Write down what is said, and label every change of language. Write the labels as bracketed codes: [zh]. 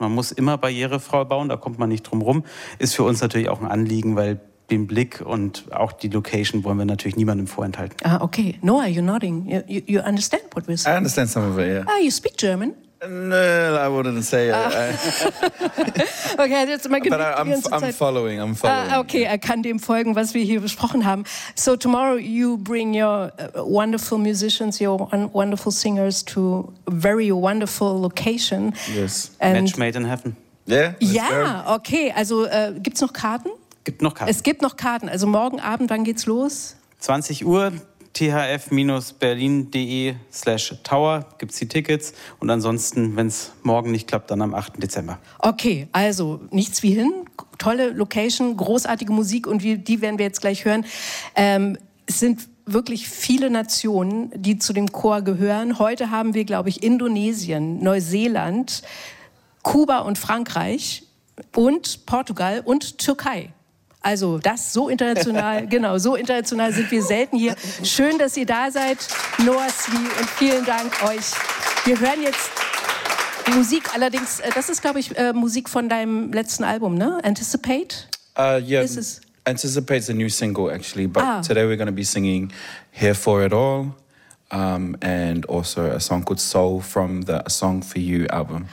[de] Man muss immer barrierefrei bauen, da kommt man nicht drum rum. Ist für uns natürlich auch ein Anliegen, weil den Blick und auch die Location wollen wir natürlich niemandem vorenthalten. [en] Ah, okay. Noah, you're nodding. You understand what we're saying? I understand some of it, yeah. Ah, you speak German? No, I wouldn't say it. [de] Okay, jetzt mal genug. [en] But I'm following. [de] Okay, yeah. I kann dem folgen, was wir hier besprochen haben. [en] So tomorrow you bring your wonderful musicians, your wonderful singers to a very wonderful location. Yes. And match made in heaven. Yeah. [de] Ja, okay. Also gibt's noch Karten? Gibt noch Karten. Es gibt noch Karten. Also morgen Abend, wann geht's los? 20 Uhr. thf-berlin.de/tower gibt es die Tickets. Und ansonsten, wenn es morgen nicht klappt, dann am 8. Dezember. Okay, also nichts wie hin. Tolle Location, großartige Musik und die werden wir jetzt gleich hören. Es sind wirklich viele Nationen, die zu dem Chor gehören. Heute haben wir, glaube ich, Indonesien, Neuseeland, Kuba und Frankreich und Portugal und Türkei. Also das so international, genau, so international sind wir selten hier. Schön, dass ihr da seid, Noah Slee, und vielen Dank euch. Wir hören jetzt Musik, allerdings, das ist, glaube ich, Musik von deinem letzten Album, ne? [en] Anticipate? Yeah, is this? Anticipate's a new single, actually, but today we're going to be singing Here For It All. And also a song called Soul from the A Song For You Album.